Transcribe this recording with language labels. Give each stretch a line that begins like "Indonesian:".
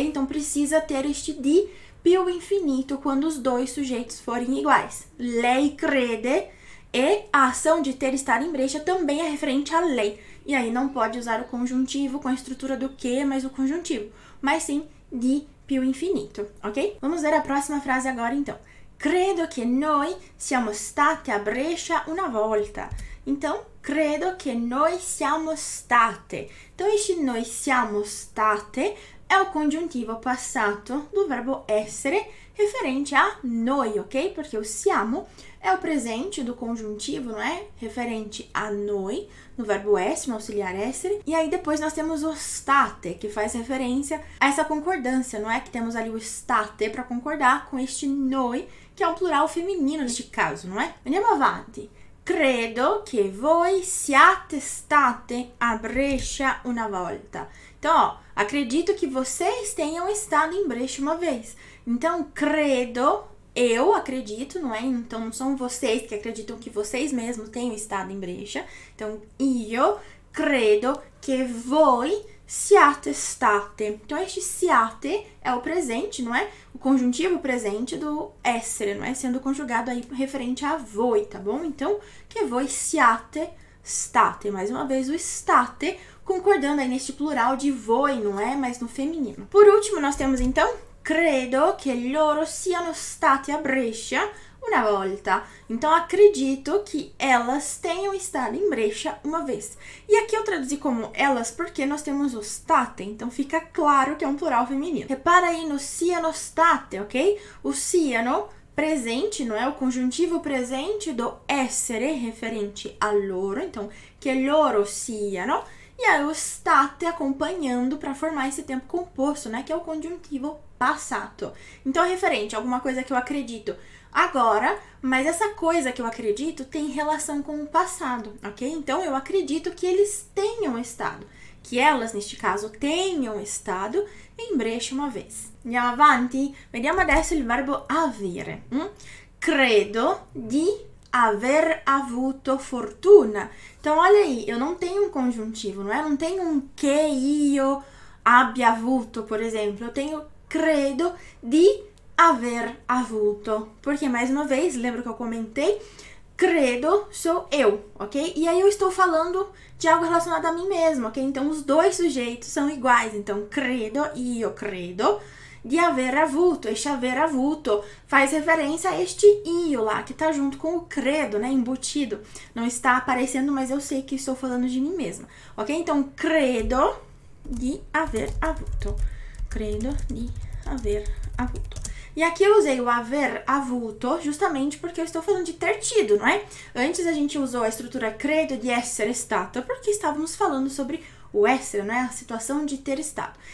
Portuguese: Então, precisa ter este
Italian: di più infinito
Portuguese: quando os dois sujeitos forem iguais.
Italian: Lei crede
Portuguese: e a ação de ter estado em Brescia também é referente à lei. E aí não pode usar o conjuntivo com a estrutura do che, mas o conjuntivo, mas sim
Italian: di più infinito,
Portuguese: ok? Vamos ver a próxima frase agora, então.
Italian: Credo che noi siamo state a Brescia una volta. Então, credo che noi siamo state.
Portuguese: Então, este
Italian: noi siamo state
Portuguese: é o conjuntivo passato do verbo essere referente a noi, ok? Porque o siamo é o presente do conjuntivo, não é? Referente a noi, no verbo essere, no auxiliar essere. E aí depois nós temos o state, que faz referência a essa concordância, não é? Que temos ali o state para concordar com este noi, que é um plural feminino neste caso, não é?
Italian: Andiamo avanti. Credo che voi siate state a Brescia una volta.
Portuguese: Então, ó, acredito que vocês tenham estado em Brescia uma vez. Então, credo, eu acredito, não é? Então, não são vocês que acreditam que vocês mesmos tenham estado em Brescia.
Italian: Então, io credo che voi siate state.
Portuguese: Então, este siate é o presente, não é? O conjuntivo presente do essere, não é? Sendo conjugado aí referente a voi, tá bom?
Italian: Então, che voi siate state.
Portuguese: Mais uma vez, o state concordando aí neste plural de voi, não é? Mas no feminino. Por último, nós temos, então,
Italian: credo che loro siano state a Brescia una volta.
Portuguese: Então, acredito que elas tenham estado em Brescia uma vez. E aqui eu traduzi como elas porque nós temos o state, então fica claro que é um plural feminino. Repara aí no
Italian: siano state,
Portuguese: ok? O siano presente, não é? O conjuntivo presente do essere referente a loro.
Italian: Então, che loro siano.
Portuguese: E aí o state acompanhando para formar esse tempo composto, né? Que é o conjuntivo passato. Então, referente a alguma coisa que eu acredito agora, mas essa coisa que eu acredito tem relação com o passado, ok? Então, eu acredito que eles tenham estado, que elas, neste caso, tenham estado em Brescia uma vez.
Italian: Andiamo avanti.
Portuguese: Vediamo adesso il verbo avere.
Italian: Credo di aver avuto fortuna.
Portuguese: Então, olha aí, eu não tenho um conjuntivo, não é? Eu não tenho um
Italian: che io abbia avuto,
Portuguese: por exemplo. Eu tenho
Italian: credo di aver avuto.
Portuguese: Porque, mais uma vez, lembra que eu comentei? credo sou eu, ok? E aí eu estou falando de algo relacionado a mim mesmo, ok? Então os dois sujeitos são iguais.
Italian: Então credo e io credo di aver avuto.
Portuguese: Este aver avuto faz referência a este io lá, que está junto com o credo, né? Embutido. Não está aparecendo, mas eu sei que estou falando de mim mesma, ok?
Italian: Então credo di aver avuto. Credo di aver avuto.
Portuguese: E aqui eu usei o aver avuto justamente porque eu estou falando de ter tido, não é? Antes a gente usou a estrutura
Italian: credo di essere stato
Portuguese: porque estávamos falando sobre o essere, não é? A situação de ter estado.